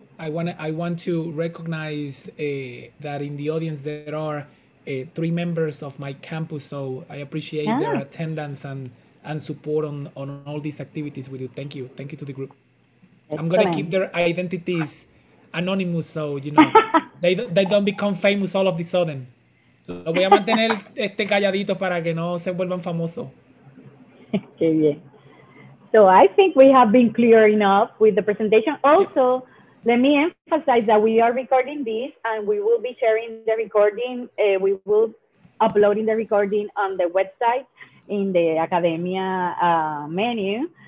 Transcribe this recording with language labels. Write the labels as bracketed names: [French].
[English] I want to recognize that in the audience there are three members of my campus, so I appreciate their attendance and support on all these activities with you. Thank you. Thank you to the group. Excellent. I'm going to keep their identities anonymous, so you know, they don't become famous all of a sudden. [Spanish] Lo voy a mantener calladito para que no se vuelvan famosos. [English] Okay, yeah. So I think we have been clear enough with the presentation. Also, let me emphasize that we are recording this and we will be sharing the recording. We will uploading the recording on the website in the Academia menu.